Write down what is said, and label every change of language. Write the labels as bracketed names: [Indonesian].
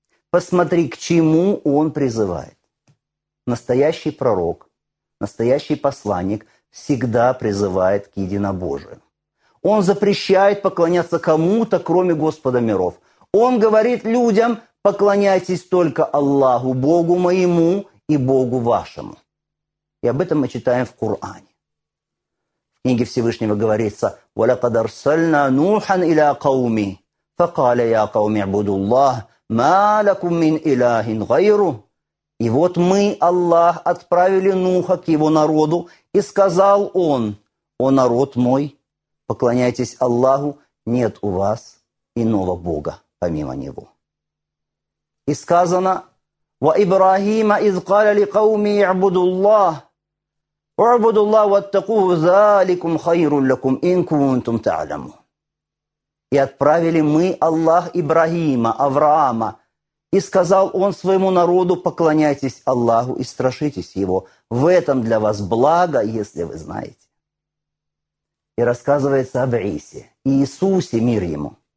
[Russian] Посмотри, к чему он призывает. Настоящий пророк, настоящий посланник всегда призывает к единобожию. Он запрещает поклоняться кому-то, кроме Господа миров. Он говорит людям: поклоняйтесь только Аллаху, Богу моему и Богу вашему. И об этом мы читаем в Коране. В книге Всевышнего говорится: [Arabic] وَلَقَدْ أَرْسَلْنَا نُوحًا إِلَىٰ قَوْمِهِ فَقَالَ يَا قَوْمِ اعْبُدُوا اللَّهَ مَا لَكُمْ مِنْ إِلَٰهٍ غَيْرُ. [Russian] И вот мы, Аллах, отправили Нуха к его народу, и сказал он: «О народ мой, поклоняйтесь Аллаху, нет у вас иного Бога помимо Него». И сказано: [Arabic] وَإِبْرَاهِيمَ إِذْ قَالَ لِقَوْمِ اعْبُدُوا اللَّهَ اعْبُدُوا اللَّهَ وَاتَّقُوهُ ذَلِكُمْ خَيْرٌ لَكُمْ إِنْ كُنْتُمْ تَعْلَمُونَ. [Russian] И отправили мы, Аллах, Ибрагима, Авраама, и сказал он своему народу: поклоняйтесь Аллаху и страшитесь Его. В этом для вас благо, если вы знаете. И рассказывается об Иисе, Иисусе, мир ему.